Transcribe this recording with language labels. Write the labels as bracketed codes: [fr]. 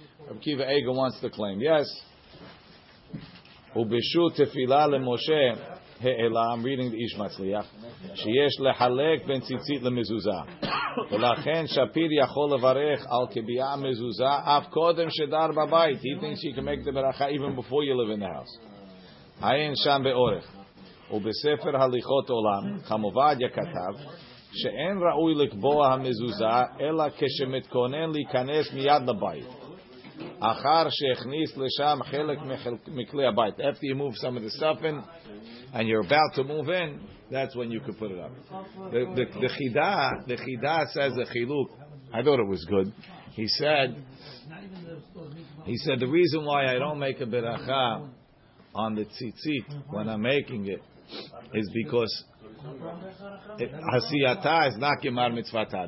[he] רבי עקיבא אגר [en] wants to claim yes. [he] ובשוט תפילה למשה העלה, [en] I'm reading the [he] איש מצליח, שיש לחלק בין ציצית למזוזה. ולכן שפיר יכול לברך על קביעה מזוזה אף קודם שדר בבית. [en] He thinks he can make the ברכה even before you live in the house. [he] עין שם באורך. ובספר הליכות עולם, חמובדיה כתב, שאין ראוי לקבוע המזוזה, אלא כשמתכונן להיכנס מיד לבית. אחר שהכניס לשם חלק מכלי הבית. [en] After you move some of the stuff in, and you're about to move in, that's when you can put it up. The chida says the chiluk. I thought it was good. He said the reason why I don't make a beracha on the tzitzit when I'm making it is because hasiyata is not gemar mitzvata.